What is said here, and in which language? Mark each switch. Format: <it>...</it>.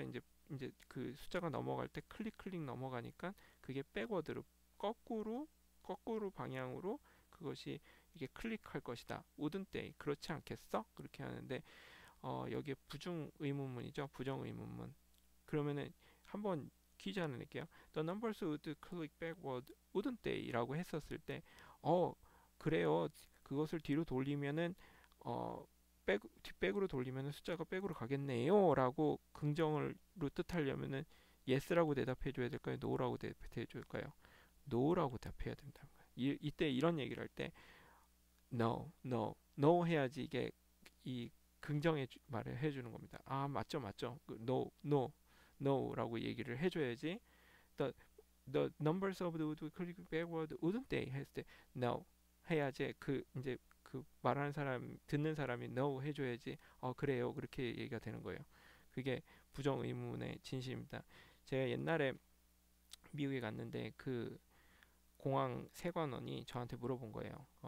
<ko>이제 그 숫자가 넘어갈 때 클릭 클릭 넘어가니까 그게 백워드로 거꾸로 방향으로 그것이 이게 클릭할 것이다.</ko> <en>Wouldn't they?</en> <ko>그렇지 않겠어? 그렇게 하는데 여기에 부정 의문문이죠. 부정 의문문. 그러면은 한번 퀴즈 하나 낼게요.</ko> <en>The numbers would click backward, wouldn't they?라고</en> <ko>했었을 때, 그래요. 그것을 뒤로 돌리면은 뒷백으로 돌리면은 숫자가 백으로 가겠네요.라고 긍정을 뜻하려면은 yes라고 대답해 줘야 될까요? no라고 대답해 줄까요? no라고 대답해야 된다는 거예요. 이때 이런 얘기를 할 때, no 해야지 이게 이 긍정의 말을 해주는 겁니다. 아, 맞죠, 맞죠. No라고 얘기를 해줘야지.</ko> <en>The numbers of the would click backward wouldn't they?</en> <ko>했을 때, no 해야지. 이제 그 말하는 사람, 듣는 사람이 no 해줘야지. 그래요. 그렇게 얘기가 되는 거예요. 그게 부정 의문의 진실입니다. 제가 옛날에 미국에 갔는데 그 공항 세관원이 저한테 물어본 거예요.</ko>